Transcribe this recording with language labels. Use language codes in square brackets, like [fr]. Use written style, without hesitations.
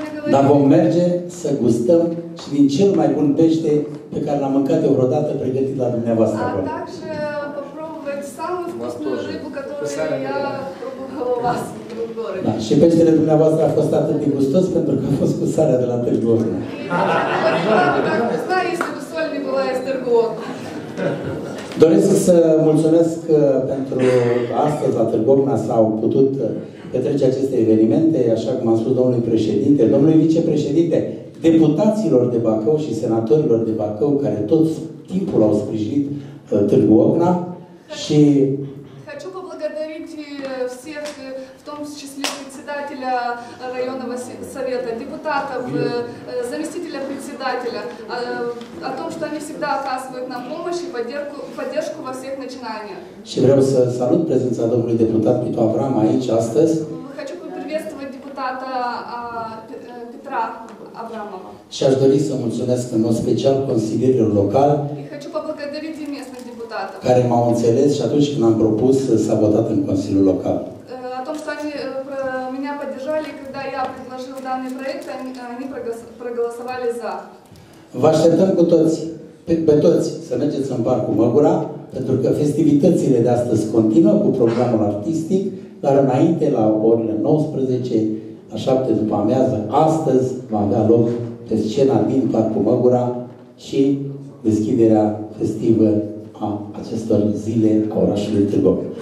[ro] Dar vom merge să gustăm și din cel mai bun pește pe care l-am mâncat eu vreodată pregătit la dumneavoastră. A, acolo. [ru] Также попробовать самую вкусную рыбу, которую я пробовала у вас в городе. [ro] Да, și peștele dumneavoastră a fost atât de gustos pentru că a fost cu sarea de la Târgu Ocna. Da, [ru] знаете, что соль не была из Târgu Ocna. [ro] Doresc să mulțumesc pentru astăzi la Târgu Ocna s-au putut petrece aceste evenimente, așa cum a spus domnului președinte, domnului vicepreședinte, deputaților de Bacău și senatorilor de Bacău, care tot timpul au sprijinit Târgu Ocna. Și [ru] хочу поблагодарить всех, в том числе председателя районного совета, депутатов, заместителя председателя, о том, что они всегда оказывают нам помощь и поддержку во всех начинаниях. [ro] Și vreau să salut prezența domnului deputat Pitu Avram aici astăzi. [ru] Хочу поприветствовать депутата Петра Абрамова. [ro] Și aș dori să mulțumesc în mod special consilierilor locali. [ru] И хочу поблагодарить местных депутатов. [ro] Care m-au înțeles și atunci când am propus să votat în Consiliul Local. [ru] О том, что они меня поддержали, когда я предложил данный проект, они проголосовали за. [ro] Vă așteptăm cu toți, pe toți, să mergeți în Parcul Măgura, pentru că festivitățile de astăzi continuă cu programul artistic, dar înainte, la orele 19, la 7 după amiază, astăzi va avea loc pe scena din Parcul Măgura și deschiderea festivă a acestor zile a orașului Târgu Ocna.